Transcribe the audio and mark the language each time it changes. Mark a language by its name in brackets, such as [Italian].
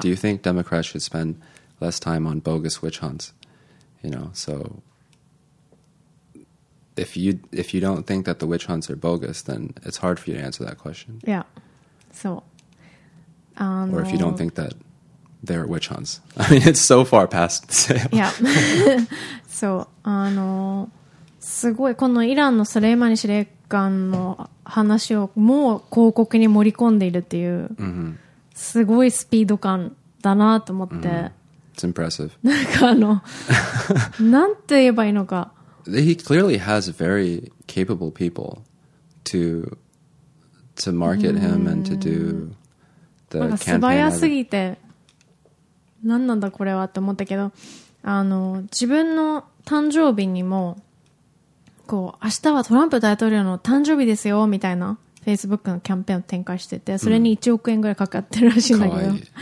[English] Do you think Democrats should spend less time on bogus witch hunts? You know, so if you don't think that the witch hunts are bogus, then it's hard for you to answer that question. Yeah, so. Or if you don't think that they're witch hunts. I mean, it's so far past the sale. Yeah, so, [Japanese] すごいこのイランのスレイマニ司令官の話をもう広告に盛り込んでいるっていう、すごいスピード感だなと思って、 [English] It's impressive. [Japanese] なんかなんて言えばいいのか。 [English] He clearly has very capable people to market him and to do the campaign. [Japanese] なんか素早すぎて、なんなんだこれはって思ったけど、自分の誕生日にも、こう明日はトランプ大統領の誕生日ですよみたいな Facebook のキャンペーンを展開してて、それに1億円ぐらいかかってるらしいんだけど、